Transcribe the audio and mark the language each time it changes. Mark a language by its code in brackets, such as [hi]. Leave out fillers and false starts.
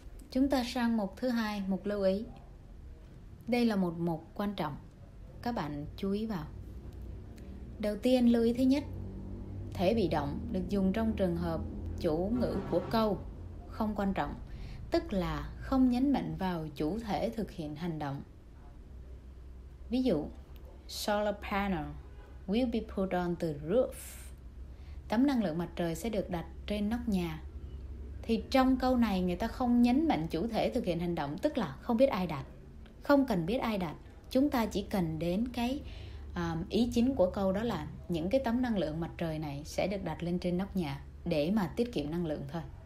[vi] Chúng ta sang mục thứ hai, mục lưu ý. Đây là một mục quan trọng. Các bạn chú ý vào. Đầu tiên, lưu ý thứ nhất, thể bị động được dùng trong trường hợp chủ ngữ của câu không quan trọng, tức là không nhấn mạnh vào chủ thể thực hiện hành động. Ví dụ, [en] solar panel will be put on the roof. [vi] Tấm năng lượng mặt trời sẽ được đặt trên nóc nhà. Thì trong câu này người ta không nhấn mạnh chủ thể thực hiện hành động, tức là không biết ai đặt. Không cần biết ai đặt. Chúng ta chỉ cần đến cái ý chính của câu, đó là những cái tấm năng lượng mặt trời này sẽ được đặt lên trên nóc nhà để mà tiết kiệm năng lượng thôi.